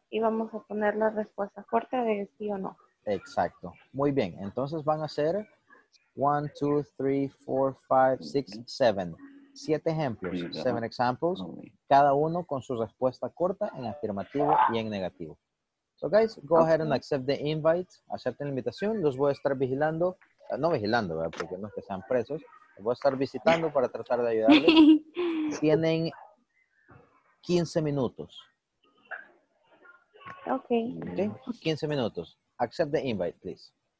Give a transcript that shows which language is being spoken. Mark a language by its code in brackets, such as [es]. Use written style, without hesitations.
[es] Y vamos a poner la respuesta corta de sí o no. Exacto. Muy bien. Entonces van a ser 1, 2, 3, 4, 5, 6, 7. 7 ejemplos. [en] 7 examples. [es] Cada uno con su respuesta corta en afirmativo y en negativo. [en] So guys, go ahead and accept the invite. [es] Acepten la invitación. Los voy a estar vigilando. No vigilando, ¿verdad? Porque no es que sean presos. Los voy a estar visitando para tratar de ayudarles. Tienen 15 minutos. [en] Okay. Okay. [es] 15 minutos. [en] Accept the invite, please.